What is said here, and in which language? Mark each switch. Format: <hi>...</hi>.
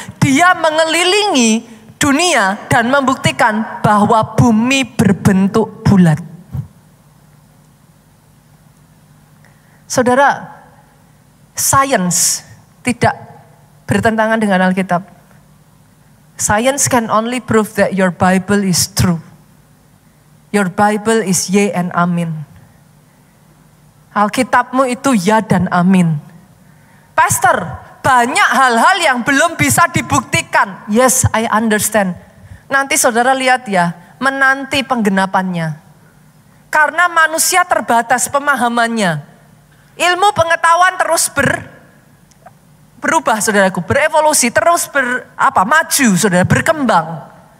<id>Dia mengelilingi dunia dan membuktikan bahwa bumi berbentuk bulat. Saudara, science tidak bertentangan dengan Alkitab.</id> <en>Science can only prove that your Bible is true. Your Bible is yea and amen.</en> <id>Alkitabmu itu ya dan amin. Pastor, banyak hal-hal yang belum bisa dibuktikan.</id> <en>Yes, I understand.</en> <id>Nanti saudara lihat ya, menanti penggenapannya. Karena manusia terbatas pemahamannya. Ilmu pengetahuan terus berubah, saudaraku. Berevolusi, terus maju, saudara, berkembang.</id>